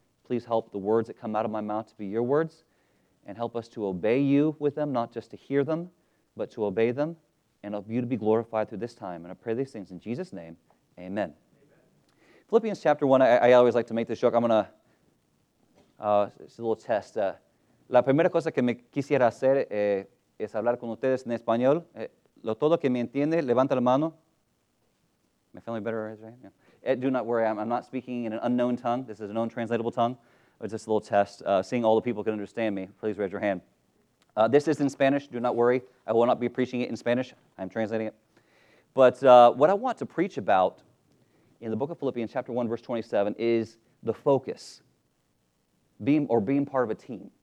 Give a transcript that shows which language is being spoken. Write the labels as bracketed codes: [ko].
[en] Please help the words that come out of my mouth to be your words, and help us to obey you with them, not just to hear them, but to obey them, and help you to be glorified through this time. And I pray these things in Jesus' name, amen. Amen. Philippians chapter 1, I always like to make this joke. I'm going to, it's a little test. [es] La primera cosa que me quisiera hacer es hablar con ustedes en español. Lo todo que me entiende, levanta la mano. [en] My family better raise their hand. Yeah. Do not worry, I'm not speaking in an unknown tongue. This is an untranslatable tongue. It's just a little test. Seeing all the people can understand me, please raise your hand. This is in Spanish. Do not worry. I will not be preaching it in Spanish. I'm translating it. But what I want to preach about in the book of Philippians, chapter 1, verse 27, is the focus, being part of a team.